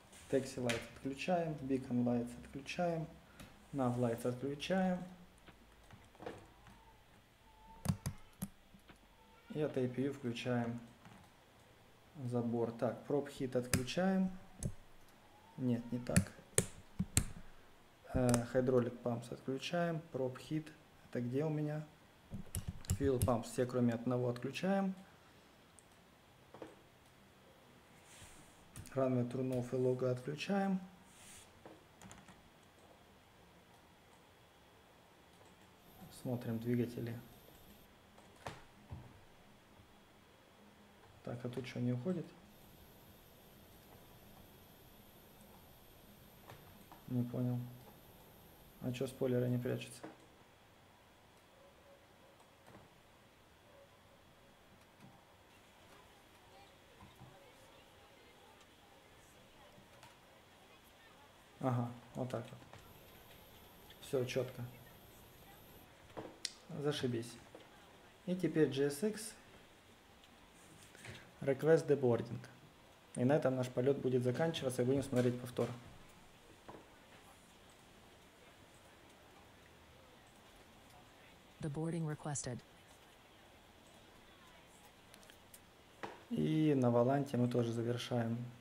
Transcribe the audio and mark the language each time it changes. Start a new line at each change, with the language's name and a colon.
English: Taxi Light
Russian: отключаем,
English: Beacon Lights отключаем, Nav Lights отключаем.
Russian: И от APU включаем забор.
English: Так, Prop Heat отключаем.
Russian: Нет, не так.
English: Hydraulic Pumps отключаем. Prop Heat. Это где у меня? Fuel Pumps.
Russian: Все кроме одного отключаем.
English: Runway Turn Off и Logo отключаем.
Russian: Смотрим двигатели. Так, а тут что, не уходит? Не понял. А что, спойлеры не прячутся? Ага, вот так вот. Все четко. Зашибись.
English: И теперь GSX Request Deboarding.
Russian: И на этом наш полет будет заканчиваться, и будем смотреть повтор.
English: Deboarding requested.
Russian: И на Валанте мы тоже завершаем.